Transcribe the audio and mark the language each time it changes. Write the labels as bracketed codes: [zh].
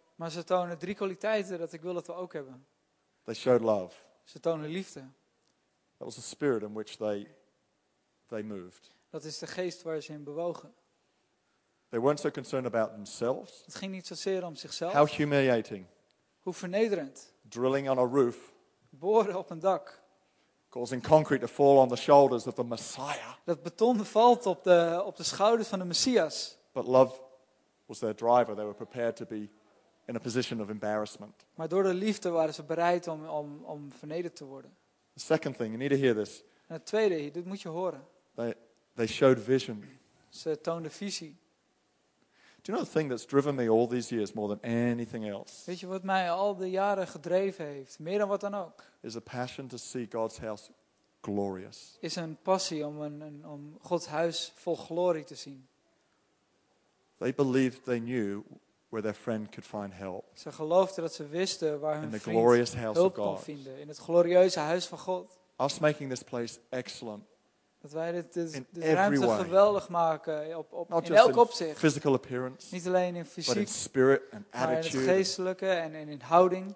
[nl] Maar ze tonen drie kwaliteiten dat ik wil dat we ook hebben. [en] They showed love. [nl] Ze tonen liefde. [en] That was the spirit in which they moved. [nl] Dat is de geest waar ze in bewogen. [en] They weren't so concerned about themselves. [nl] Het ging niet zozeer om zichzelf. [en] How humiliating. [nl] Hoe vernederend. [en] Drilling on a roof. [nl] Boren op een dak. [en] Causing concrete to fall on the shoulders of the Messiah. [nl] Dat beton valt op de schouders van de Messias. [en] But love was their driver. They were prepared to be in a position of embarrassment. [nl] Maar door de liefde waren ze bereid om vernederd te worden. [en] The second thing, you need to hear this. [nl] En het tweede, dit moet je horen. [en] They showed vision. [nl] Ze toonden visie. [en] Do you know the thing that's driven me all these years more than anything else? [nl] Weet je wat mij al de jaren gedreven heeft, meer dan wat dan ook? [en] Is a passion to see God's house glorious. [nl] Is een passie om om Gods huis vol glorie te zien. [en] They believed they knew where their friend could find help. [nl] Ze geloofden dat ze wisten waar hun vriend hulp kon vinden in het glorieuze huis van God. [en] Us making this place excellent. [nl] Dat wij dit ruimte geweldig maken in elk opzicht. [en] Physical appearance, [nl] niet alleen in fysiek, [en] but in spirit and attitude, [nl] maar in het geestelijke en in houding.